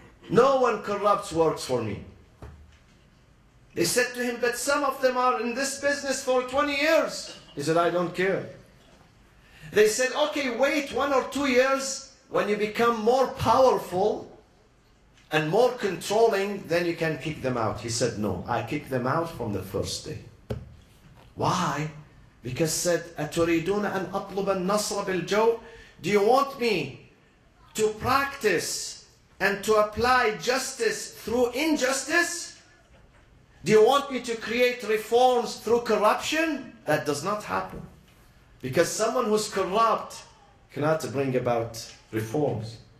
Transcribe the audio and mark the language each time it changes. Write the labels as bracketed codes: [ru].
[en] No one corrupt works for me. They said to him, but some of them are in this business for 20 years. He said, I don't care. They said, okay, wait 1 or 2 years. When you become more powerful and more controlling, then you can kick them out. He said, no, I kick them out from the first day. Why? Because said, [ar] أَتُرِيدُونَ أَنْ أَطْلُبَ النَّصْرَ بِالْجَوْءِ. [en] Do you want me to practice and to apply justice through injustice? Do you want me to create reforms through corruption? That does not happen. Because someone who's corrupt cannot bring about reforms.